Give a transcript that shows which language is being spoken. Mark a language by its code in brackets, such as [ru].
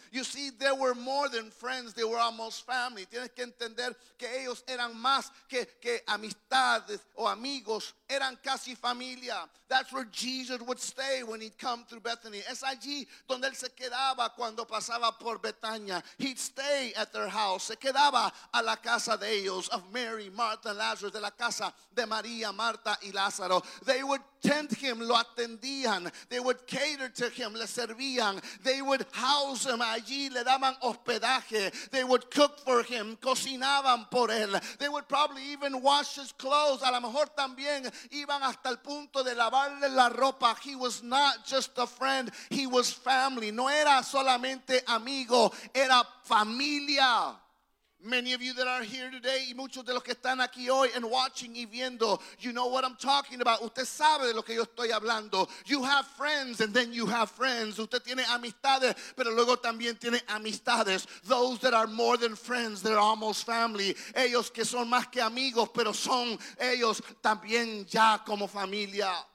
[en] You see, they were more than friends, they were almost family. [es] Tienes que entender que ellos eran más que amistades o amigos, eran casi familia. [en] That's where Jesus would stay when he'd come through Bethany. [es] Es allí donde él se quedaba cuando pasaba por Betania. [en] He'd stay at their house, [es] se quedaba a la casa de ellos, [en] of Mary, Martha, and Lazarus, [es] de la casa de María, Marta y Lázaro. [en] They would tend him, [es] lo atendían. [en] They would cater to him, [es] le servían. [en] They would house him [es] allí, le daban hospedaje. [en] They would cook for him, [es] cocinaban por él. [en] They would probably even wash his clothes. [es] A lo mejor también iban hasta el punto de lavarle la ropa. [en] He was not just a friend, he was family. [es] No era solamente amigo, era familia. [en] Many of you that are here today, [es] y muchos de los que están aquí hoy [en] and watching [es] y viendo, [en] you know what I'm talking about. [es] Usted sabe de lo que yo estoy hablando. [en] You have friends and then you have friends. [es] Usted tiene amistades, pero luego también tiene amistades. [en] Those that are more than friends, they're almost family. [es] Ellos que son más que amigos, pero son ellos también ya como familia.